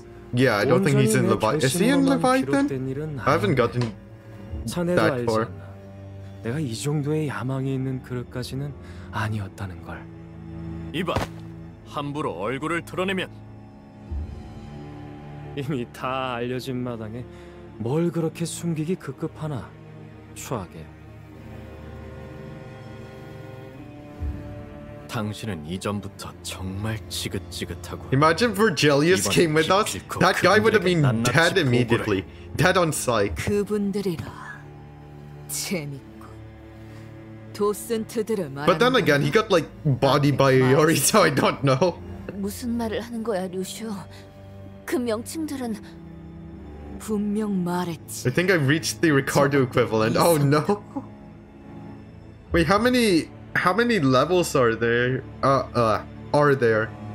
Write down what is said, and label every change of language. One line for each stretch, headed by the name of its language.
English: I don't think he's in Leviathan. Is he in Leviathan? I haven't gotten that far.
Korean: 내가 이 정도의 야망이 있는 그릇까지는 아니었다는 걸. 이봐, 함부로 얼굴을 드러내면 이미 다 알려진 마당에 뭘 그렇게 숨기기 급급하나, 추하게. 당신은 이전부터 정말 지긋지긋하고.
English: Imagine Virgilius came with us. That guy would have been dead immediately, dead on sight.
Korean: 그분들이라 재밌.
English: But then again, he got like bodied by Yori, so I don't know.
Korean: 무슨 말을 하는 거야, 류슈? 그 명칭들은 분명 말했지.
English: I think I reached the Ricardo equivalent. Oh no. Wait, how many levels are there? Are there?